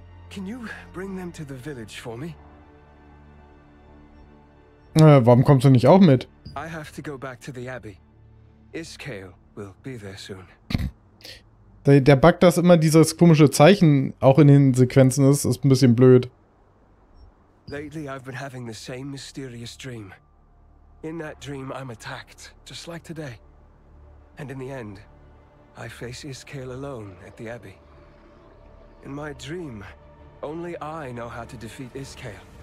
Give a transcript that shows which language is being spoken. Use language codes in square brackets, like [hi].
[en] Can you bring them to the village for me? [de] Warum kommst du nicht auch mit? [en] I have to go back to the abbey. Iskael will be there soon. [de] Der Bug, dass immer dieses komische Zeichen auch in den Sequenzen ist, ist ein bisschen blöd. [en] Lately I've been having the same mysterious dream. In that dream I'm attacked, just like today. And in the end I face Iskael alone at the abbey. In my dream, only I know how to defeat Iskael.